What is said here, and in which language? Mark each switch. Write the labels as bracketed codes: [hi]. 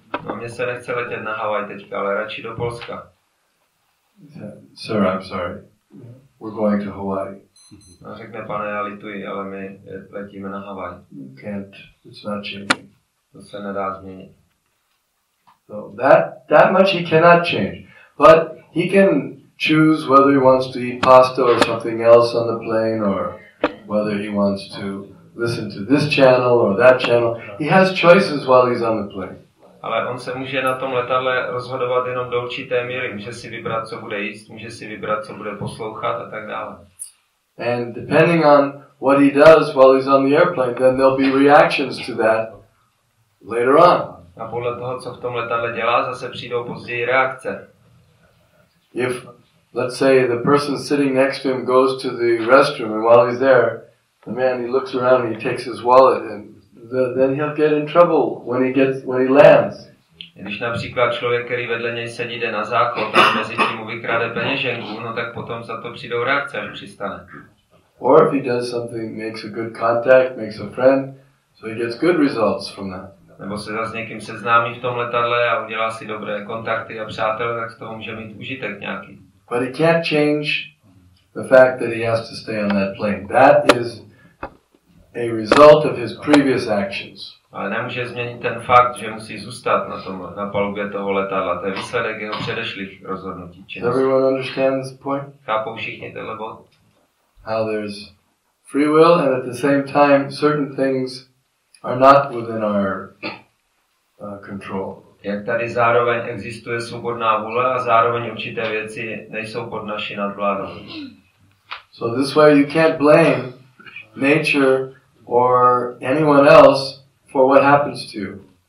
[cs] No, mně se nechce letět na Hawaii teďka, ale radši do Polska. [en] Sir, I'm sorry. we're going to Hawaii. [cs] A řekne, pane, já lituji, ale my letíme na Havaj. [en] Can't, it's not changing. [cs] To se nedá změnit. [en] So that much he cannot change. But he can choose whether he wants to eat pasta or something else on the plane, or whether he wants to listen to this channel or that channel. He has choices while he's on the plane. [cs] Ale on se může na tom letadle rozhodovat jenom do určité míry. Může si vybrat, co bude jíst, může si vybrat, co bude poslouchat a tak dále. [en] And depending on what he does while he's on the airplane, then there'll be reactions to that later on. [cs] A podle toho, co v tom letadle dělá, zase přijdou později reakce. [en] If, let's say, the person sitting next to him goes to the restroom, and while he's there, the man, he looks around, he takes his wallet, and then he'll get in trouble when he lands. [cs] Když například člověk, který vedle něj sedí, jde na záchod, tak mezi tím mu vykrade peněženku, no tak potom za to přijdou reakce, až přistane. [en] Or if he does something, makes a good contact, makes a friend, so he gets good results from that. [cs] Nebo se zase někým seznámí v tom letadle a udělá si dobré kontakty a přátelé, tak z toho může mít užitek nějaký. [en] But he can't change the fact that he has to stay on that plane. That is a result of his previous actions. [cs] Ale nemůže změnit ten fakt, že musí zůstat na tom, na palubě toho letadla. To je výsledek jeho předešlých rozhodnutí. [en] Does everyone understand this point? [cs] Chápou všichni tenhle bod? [en] How there's free will and at the same time certain things are not within our control. [cs] Jak tady zároveň existuje svobodná vůle a zároveň určité věci nejsou pod naší nadvládou. [en] So this way you can't blame nature or anyone else for what happens to you.